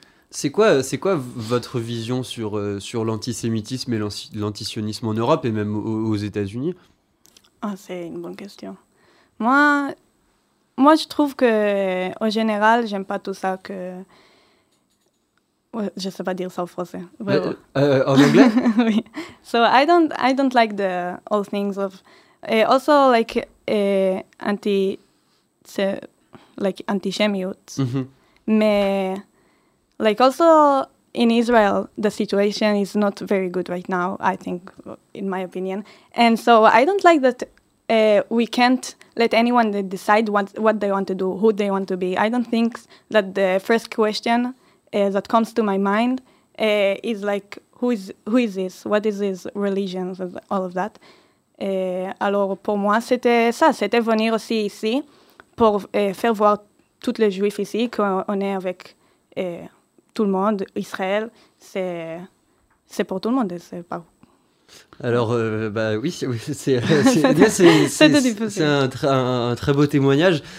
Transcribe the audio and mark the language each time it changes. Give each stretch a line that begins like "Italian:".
French: C'est quoi votre vision sur l'antisémitisme et l'antisionisme en Europe et même aux États-Unis? Ah, c'est une bonne question. Moi, je trouve que, en général, j'aime pas tout ça que. Ouais, je sais pas dire ça en français. En anglais? Oui.
English: So I don't like the all things of. Et also like anti. C'est like antisémite. Mais like also in Israel, the situation is not very good right now. I think, in my opinion, and so I don't like that. We can't let anyone decide what they want to do, who they want to be. I don't think that the first question that comes to my mind is like, who is this? What is his religion? All of that.
French: Alors, pour moi, c'était ça. C'était venir aussi ici pour faire voir tous les Juifs ici, qu'on est avec tout le monde. Israël, c'est pour tout le monde. C'est pas... Alors, oui, c'est un très beau témoignage.